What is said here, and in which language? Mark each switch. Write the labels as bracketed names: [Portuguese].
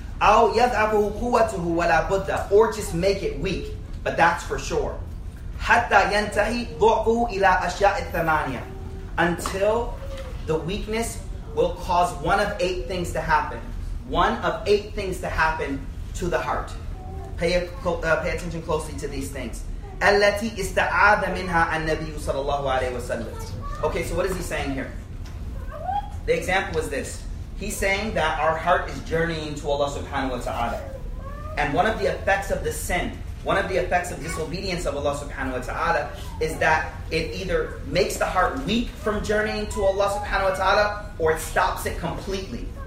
[Arabic] Aw yad'afuhu quwwatuhu wala budda, [English] or just make it weak, but that's for sure. [Arabic] Hatta yantahi du'fuhu ila ashya'it thamaniya, [English] until the weakness will cause one of eight things to happen. One of eight things to happen to the heart. Pay attention closely to these things. [Arabic] التي استعاد منها النبي صلى الله عليه وسلم. [English] Okay, so what is he saying here? The example is this. He's saying that our heart is journeying to Allah subhanahu wa ta'ala. And one of the effects of the sin, one of the effects of disobedience of Allah subhanahu wa ta'ala, is that it either makes the heart weak from journeying to Allah subhanahu wa ta'ala, or it stops it completely.